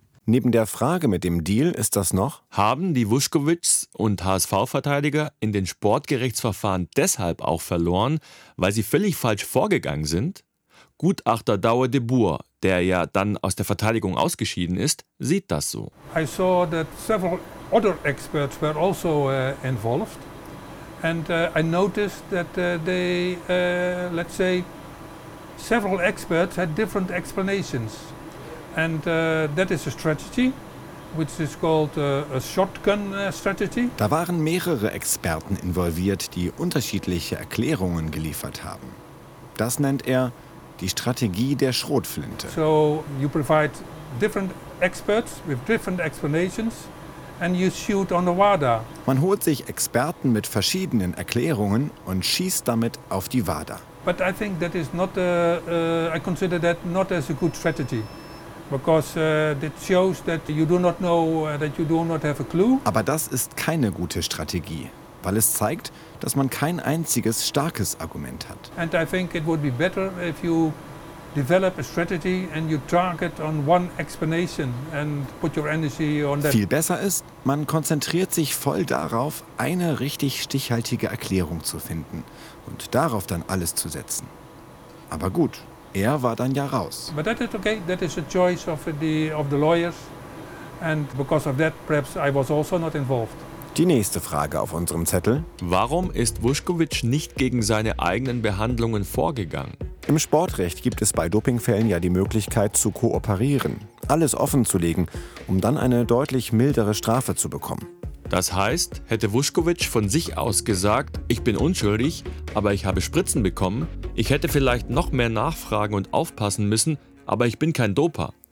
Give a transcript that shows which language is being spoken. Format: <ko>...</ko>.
<de>Neben der Frage mit dem Deal ist das noch: Haben die Vuskovics und HSV-Verteidiger in den Sportgerichtsverfahren deshalb auch verloren, weil sie völlig falsch vorgegangen sind? Gutachter Douwe de Boer, der ja dann aus der Verteidigung ausgeschieden ist, sieht das so.</de> <en>I saw that several other experts were also involved. And I noticed that they, let's say, several experts had different explanations. And that is a strategy, which is called a shotgun strategy.</en> <de>Da waren mehrere Experten involviert, die unterschiedliche Erklärungen geliefert haben. Das nennt er die Strategie der Schrotflinte.</de> <en>So you provide different experts with different explanations and you shoot on the WADA.</en> <de>Man holt sich Experten mit verschiedenen Erklärungen und schießt damit auf die WADA.</de> <en>But I think that is not I consider that not as a good strategy. Because that shows that you do not know, that you do not have a clue.</en> <de>Aber das ist keine gute Strategie, weil es zeigt, dass man kein einziges starkes Argument hat.</de> <en>And I think it would be better if you develop a strategy and you target on one explanation and put your energy on that.</en> <de>Viel besser ist, man konzentriert sich voll darauf, eine richtig stichhaltige Erklärung zu finden und darauf dann alles zu setzen. Aber gut. Er war dann ja raus.</de> <en>But that is okay. That is a choice of the lawyers, and because of that, perhaps I was also not involved.</en> <de>Die nächste Frage auf unserem Zettel: Warum ist Vuskovic nicht gegen seine eigenen Behandlungen vorgegangen? Im Sportrecht gibt es bei Dopingfällen ja die Möglichkeit zu kooperieren, alles offen zu legen, um dann eine deutlich mildere Strafe zu bekommen. Das heißt, hätte Vuskovic von sich aus gesagt, ich bin unschuldig, aber ich habe Spritzen bekommen, ich hätte vielleicht noch mehr nachfragen und aufpassen müssen, aber ich bin kein Doper.</de>